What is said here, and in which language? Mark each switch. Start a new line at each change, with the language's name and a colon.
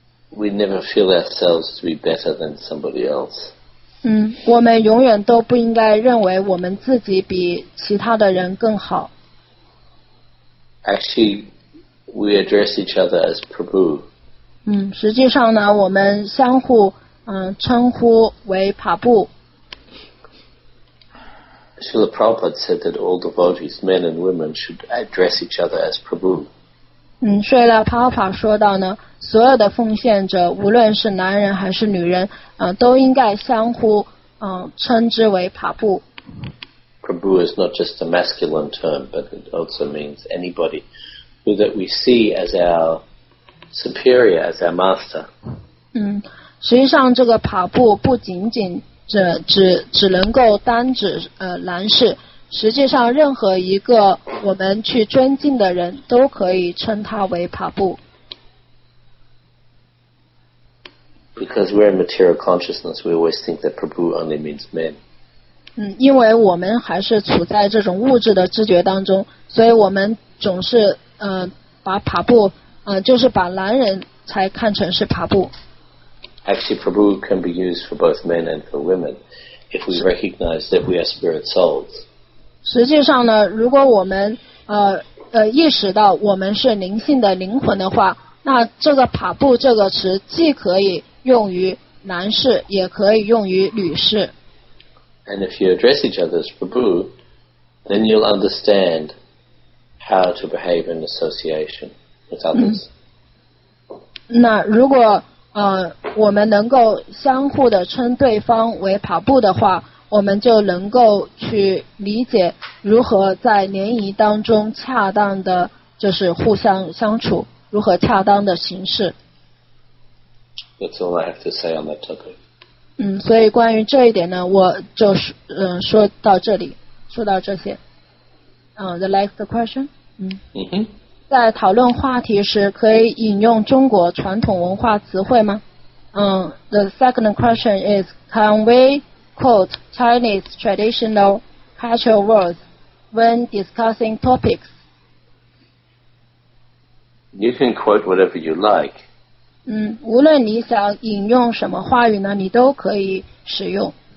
English: We never feel ourselves to be better than somebody else.
Chinese: 我们永远都不应该认为我们自己比其他的人更好。
English: Actually, we address each other as Prabhu.
Chinese: 实际上呢，我们相互称呼为帕布。
English: Srila Prabhupada said that all devotees, men and women, should address each other as Prabhu.
Chinese: 所以呢，帕帕说到呢，所有的奉献者，无论是男人还是女人，都应该相互称之为帕布。
English: Prabhu is not just a masculine term, but it also means anybody who that we see as our superior, as our master.
Chinese: 实际上这个帕布不仅仅只能够单指男士。实际上任何一个我们去尊敬的人都可以称他为帕布。
English: Because we're in material consciousness, we always think that Prabhu only means men.
Chinese: 因为我们还是处在这种物质的知觉当中，所以我们总是把帕布就是把男人才看成是帕布。
English: Actually, Prabhu can be used for both men and for women if we recognize that we are spirit souls.
Chinese: 实际上呢，如果我们意识到我们是灵性的灵魂的话，那这个帕布这个词既可以用于男士，也可以用于女士。
English: And if you address each other as Prabhu, then you'll understand how to behave in association with others.
Chinese: 那如果我们能够相互的称对方为帕布的话，我们就能够去理解如何在联谊当中恰当的就是互相相处，如何恰当的行事。
English: That's all I have to say on that topic.
Chinese: 所以关于这一点呢，我就说到这里，说到这些。
English: The next question.
Chinese: 在讨论话题时可以引用中国传统文化词汇吗？
English: The second question is, can we quote Chinese traditional cultural words when discussing topics? You can quote whatever you like.
Chinese: 无论你想引用什么话语呢，你都可以使用。